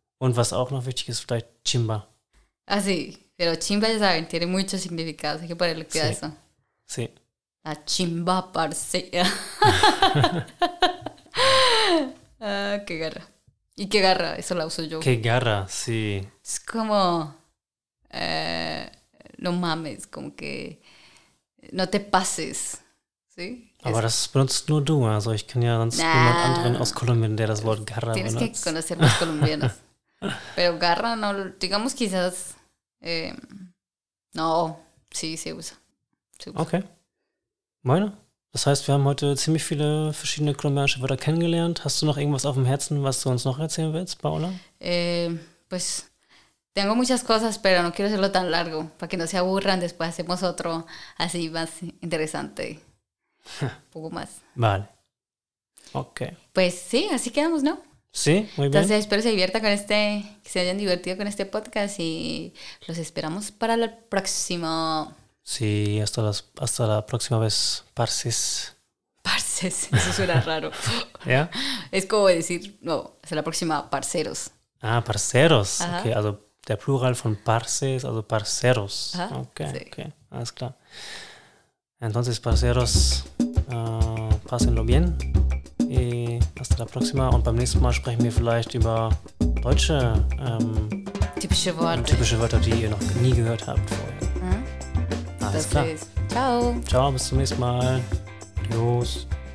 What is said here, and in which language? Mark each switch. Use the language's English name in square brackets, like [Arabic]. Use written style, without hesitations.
[German] Und was auch noch wichtig ist, vielleicht Chimba. [Spanish] Ah, sí. Pero Chimba, ya saben, tiene mucho significado. Hay que ponerle cuidado a eso. Sí. La Chimba, parce. qué garra. ¿Y qué garra? Eso la uso yo. Qué garra, sí. Es como... no mames, como que... No te pases. ¿Sí? [German] Aber das benutzt nur du. Also ich kann ja sonst jemand anderen aus Kolumbien, der das Wort garra [Spanish] tienes [German] benutzt. [Spanish] Tienes que conocer más colombianos. Pero garra no, digamos quizás, no, sí, se usa. [English] Okay. [German] Bueno, das heißt, wir haben heute ziemlich viele verschiedene kolumbianische Wörter kennengelernt. Hast du noch irgendwas auf dem Herzen, was du uns noch erzählen willst, Paola? [Spanish] Pues, tengo muchas cosas, pero no quiero hacerlo tan largo, para que no se aburran, después hacemos otro así más interesante, un poco más. Vale. Okay. Pues sí, así quedamos, ¿no? Sí, muy bien. Entonces espero se divierta con este, que se hayan divertido con este podcast y los esperamos para el próximo. Sí, hasta la próxima vez, parces. Parces, eso suena raro. ¿Ya? Yeah. Es como decir, no, hasta la próxima, parceros. [German] Ah, parceros. Ajá. Okay, also der Plural von parces, also parceros. Ajá. Okay, sí. Okay, alles klar. [Spanish] Entonces, parceros, pásenlo bien. Hasta la próxima [German] und beim nächsten Mal sprechen wir vielleicht über deutsche typische Worte. Typische Wörter, die ihr noch nie gehört habt vorher. Mhm. Alles klar. [Italian] Ciao. [German] Ciao, bis zum nächsten Mal. Los.